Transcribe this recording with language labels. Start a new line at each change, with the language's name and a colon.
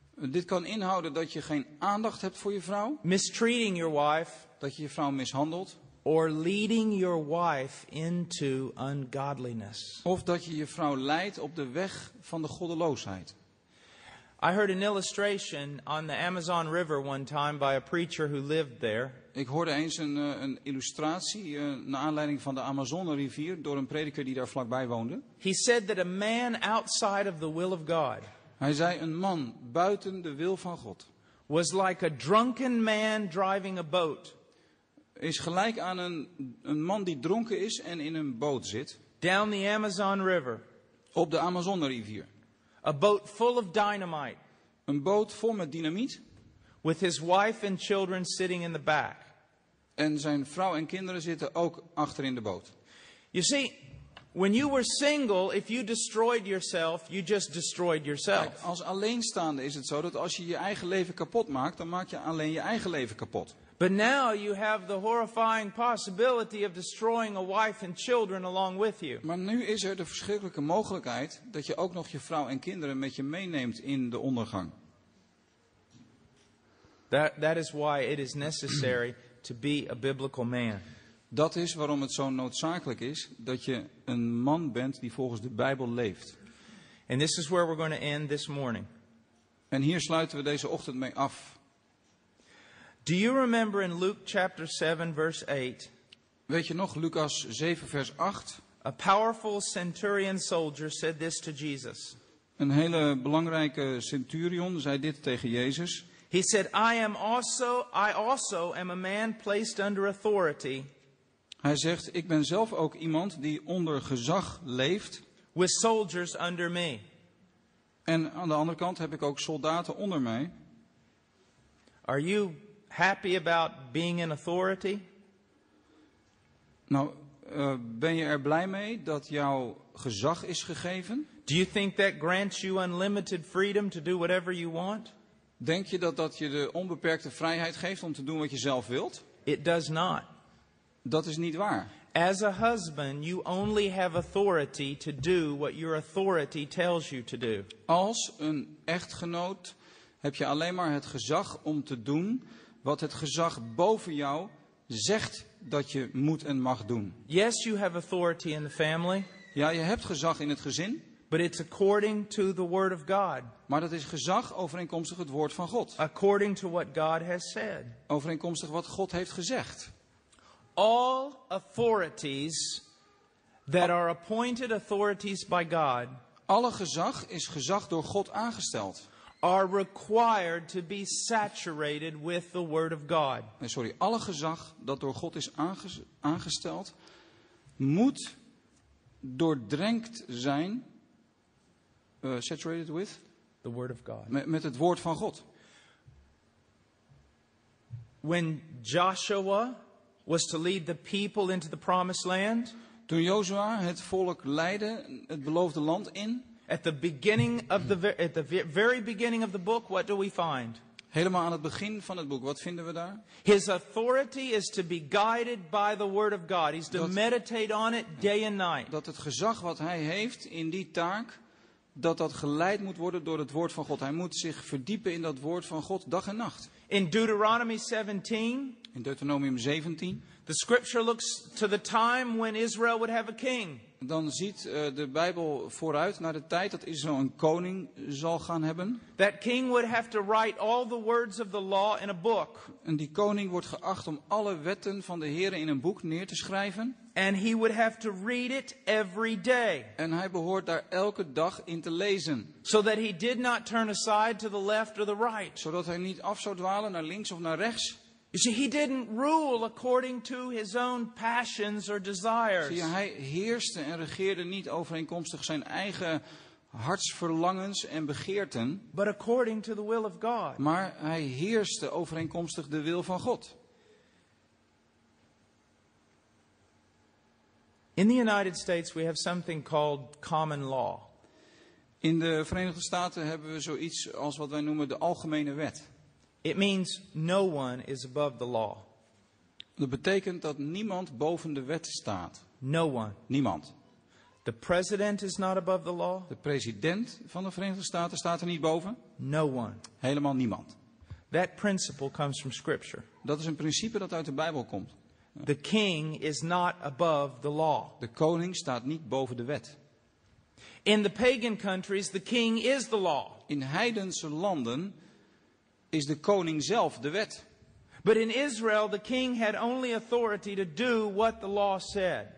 Dutch: Dit kan inhouden dat je geen aandacht hebt voor je vrouw.
English: Mistreating your wife.
Dutch: Dat je je vrouw mishandelt.
English: Or leading your wife into ungodliness.
Dutch: Of dat je je vrouw leidt op de weg van de goddeloosheid.
English: I heard an illustration on the Amazon River one time by a preacher who lived there.
Dutch: Ik hoorde eens een illustratie naar aanleiding van de Amazone rivier door een prediker die daar vlakbij woonde.
English: He said that a man outside of the will of God.
Dutch: Hij zei een man buiten de wil van God.
English: Was like a drunken man driving a boat.
Dutch: Is gelijk aan een man die dronken is en in een boot zit.
English: Down the Amazon River.
Dutch: Op de Amazone rivier.
English: A boat full of dynamite.
Dutch: Een boot vol met dynamiet.
English: With his wife and children sitting in the back.
Dutch: En zijn vrouw en kinderen zitten ook achter in de boot.
English: You see, when you were single, if you destroyed yourself, you just destroyed yourself.
Dutch: Kijk, als alleenstaande is het zo dat als je je eigen leven kapot maakt, dan maak je alleen je eigen leven kapot.
English: But now you have the horrifying possibility of destroying a wife and children along with you.
Dutch: Maar nu is er de verschrikkelijke mogelijkheid dat je ook nog je vrouw en kinderen met je meeneemt in de ondergang.
English: That is why it is necessary to be a biblical man.
Dutch: Dat is waarom het zo noodzakelijk is dat je een man bent die volgens de Bijbel leeft.
English: And this is where we're going to end this morning.
Dutch: En hier sluiten we deze ochtend mee af.
English: Do you remember in Luke chapter 7 verse 8?
Dutch: Weet je nog Lucas 7 vers 8?
English: A powerful centurion soldier said this to Jesus.
Dutch: Een hele belangrijke centurion zei dit tegen Jezus.
English: He said, I also am a man placed under authority.
Dutch: Hij zegt, ik ben zelf ook iemand die onder gezag leeft.
English: With soldiers under me.
Dutch: En aan de andere kant heb ik ook soldaten onder mij.
English: Are you happy about being in authority?
Dutch: Nou, ben je er blij mee dat jouw gezag is gegeven?
English: Do you think that grants you unlimited freedom to do whatever you want?
Dutch: Denk je dat je de onbeperkte vrijheid geeft om te doen wat je zelf wilt?
English: It does not.
Dutch: Dat is niet waar.
English: As a husband, you only have authority to do what your authority tells you to do.
Dutch: Als een echtgenoot heb je alleen maar het gezag om te doen wat het gezag boven jou zegt dat je moet en mag doen.
English: Yes, you have authority in the family.
Dutch: Ja, je hebt gezag in het gezin.
English: But it's according to the word of God.
Dutch: Maar dat is gezag overeenkomstig het woord van God.
English: According to what God has said.
Dutch: Overeenkomstig wat God heeft gezegd.
English: All authorities that are appointed authorities by God.
Dutch: Alle gezag is gezag door God aangesteld.
English: Are required to be saturated with the word of God.
Dutch: Nee, sorry, alle gezag dat door God is aangesteld moet doordrenkt zijn.
English: Saturated with the word of God.
Dutch: Met het woord van God.
English: When Joshua was to lead the people into the promised land.
Dutch: Toen Joshua het volk leidde het beloofde land in.
English: At the beginning of the very beginning of the book, what do we find?
Dutch: Helemaal aan het begin van het boek, wat vinden we daar?
English: His authority is to be guided by the word of God. He's to meditate on it day and night.
Dutch: Dat het gezag wat hij heeft in die taak. Dat geleid moet worden door het woord van God. Hij moet zich verdiepen in dat woord van God dag en nacht.
English: In Deuteronomy 17.
Dutch: In Deuteronomium 17.
English: The scripture looks to the time when Israel would have a king.
Dutch: Dan ziet de Bijbel vooruit naar de tijd dat Israël een koning zal gaan hebben.
English: That king would have to write all the words of the law in a book.
Dutch: En die koning wordt geacht om alle wetten van de Heere in een boek neer te schrijven.
English: And he would have to read it every day.
Dutch: En hij behoort daar elke dag in te lezen.
English: So that he did not turn aside to the left or the right.
Dutch: Zodat hij niet af zou dwalen naar links of naar rechts.
English: You see, he didn't rule according to his own passions or desires.
Dutch: Zie, hij heerste en regeerde niet overeenkomstig zijn eigen hartsverlangens en begeerten.
English: But according to the will of God.
Dutch: Maar hij heerste overeenkomstig de wil van God.
English: In the United States we have something called common law.
Dutch: In de Verenigde Staten hebben we zoiets als wat wij noemen de algemene wet.
English: It means no one is above the law.
Dutch: Dat betekent dat niemand boven de wet staat.
English: No one.
Dutch: Niemand.
English: The president is not above the law.
Dutch: De president van de Verenigde Staten staat er niet boven.
English: No one.
Dutch: Helemaal niemand.
English: That principle comes from scripture.
Dutch: Dat is een principe dat uit de Bijbel komt.
English: The king is not above the law.
Dutch: De koning staat niet boven de wet.
English: In the pagan countries, the king is the law.
Dutch: In heidense landen is de koning zelf de wet.
English: But in Israel, the king had only authority to do what the law said.